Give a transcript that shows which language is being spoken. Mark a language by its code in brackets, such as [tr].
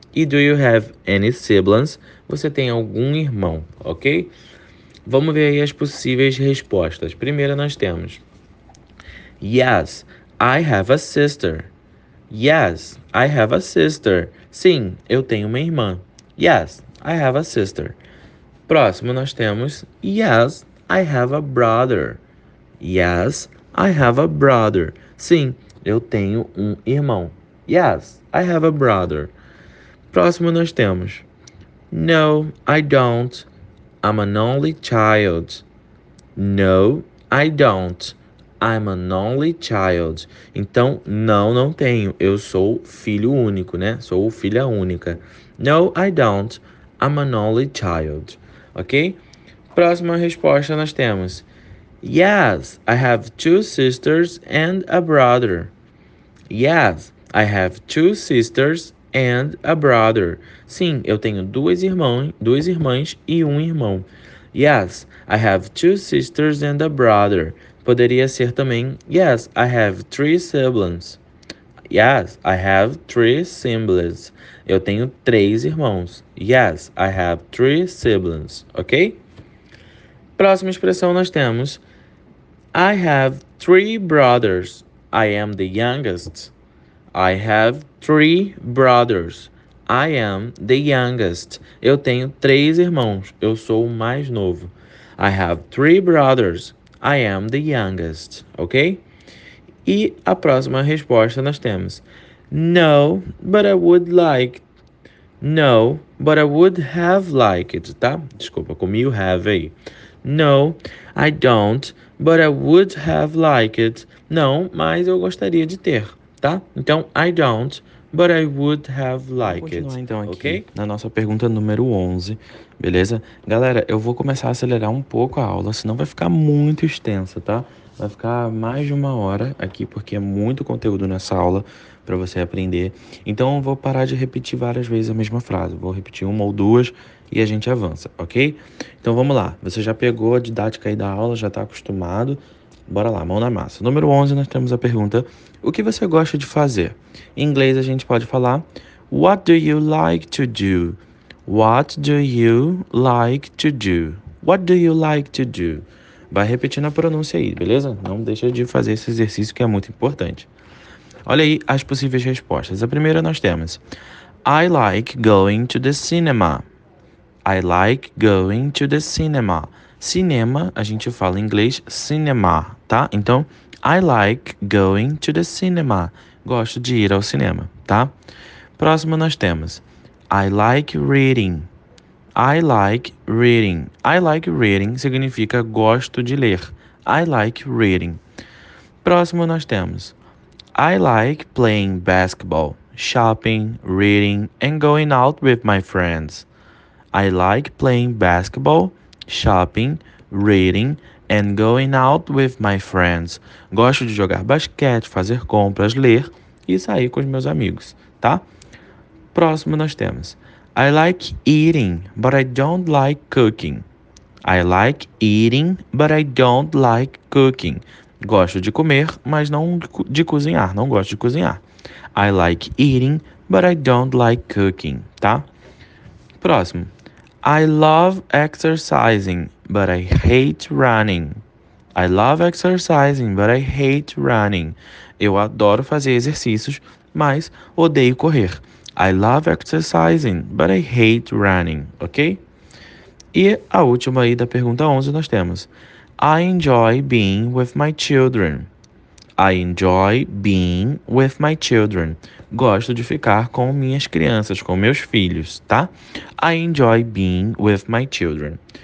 [en] E do you have any siblings? [pt] Você tem algum irmão, ok? Vamos ver aí as possíveis respostas. Primeira nós temos: [en] Yes, I have a sister. Yes, I have a sister. [pt] Sim, eu tenho uma irmã. [en] Yes, I have a sister. [pt] Próximo nós temos: [en] Yes, I have a brother. Yes, I have a brother. [pt] Sim, eu tenho um irmão. [en] Yes, I have a brother. [pt] Próximo nós temos: [en] No, I don't. I'm an only child. No, I don't. I'm an only child. [pt] Então, não tenho. Eu sou filho único, né? Sou filha única. [en] No, I don't. I'm an only child. Ok? [pt] Próxima resposta nós temos: [en] Yes, I have two sisters and a brother. Yes, I have two sisters and a brother. [pt] Sim, eu tenho duas irmãs e um irmão. [en] Yes, I have two sisters and a brother. [pt] Poderia ser também: [en] Yes, I have three siblings. Yes, I have three siblings. [pt] Eu tenho três irmãos. [en] Yes, I have three siblings. Ok? [pt] Próxima expressão nós temos: [en] I have three brothers. I am the youngest. I have three brothers. I am the youngest. [pt] Eu tenho três irmãos. Eu sou o mais novo. [en] I have three brothers. I am the youngest. Ok? [pt] E a próxima resposta nós temos: [en] No, but I would like. No, but I would have liked. [pt] Tá? Desculpa, comi o have aí. [en] No, I don't, but I would have liked. [pt] Não, mas eu gostaria de ter, tá? [en] Então, I don't, but I would have [pt] Vamos continuar [en] liked, [pt] então aqui [en] ok? [pt] na nossa pergunta número 11, beleza? Galera, eu vou começar a acelerar um pouco a aula, senão vai ficar muito extensa, tá? Vai ficar mais de uma hora aqui, porque é muito conteúdo nessa aula para você aprender. Então, eu vou parar de repetir várias vezes a mesma frase. Vou repetir uma ou duas e a gente avança, ok? Então, vamos lá. Você já pegou a didática aí da aula, já está acostumado. Bora lá, mão na massa. Número 11, nós temos a pergunta: O que você gosta de fazer? Em inglês, a gente pode falar: [en] What do you like to do? What do you like to do? What do you like to do? [pt] Vai repetindo a pronúncia aí, beleza? Não deixa de fazer esse exercício que é muito importante. Olha aí as possíveis respostas. A primeira nós temos: [en] I like going to the cinema. I like going to the cinema. [pt] Cinema, a gente fala em inglês cinema, tá? [en] Então, I like going to the cinema. [pt] Gosto de ir ao cinema, tá? Próximo nós temos: [en] I like reading. I like reading. I like reading [pt] significa gosto de ler. [en] I like reading. [pt] Próximo nós temos: [en] I like playing basketball, shopping, reading, and going out with my friends. I like playing basketball, shopping, reading, and going out with my friends. [pt] Gosto de jogar basquete, fazer compras, ler e sair com os meus amigos, tá? Próximo nós temos: [en] I like eating, but I don't like cooking. I like eating, but I don't like cooking. [pt] Gosto de comer, mas não de cozinhar. Não gosto de cozinhar. [en] I like eating, but I don't like cooking, tá? Próximo: I love exercising, but I hate running. I love exercising, but I hate running. [pt] Eu adoro fazer exercícios, mas odeio correr. [en] I love exercising, but I hate running, ok? [pt] E a última aí da pergunta 11 nós temos: [en] I enjoy being with my children. I enjoy being with my children. [pt] Gosto de ficar com minhas crianças, com meus filhos, tá? [en] I enjoy being with my children.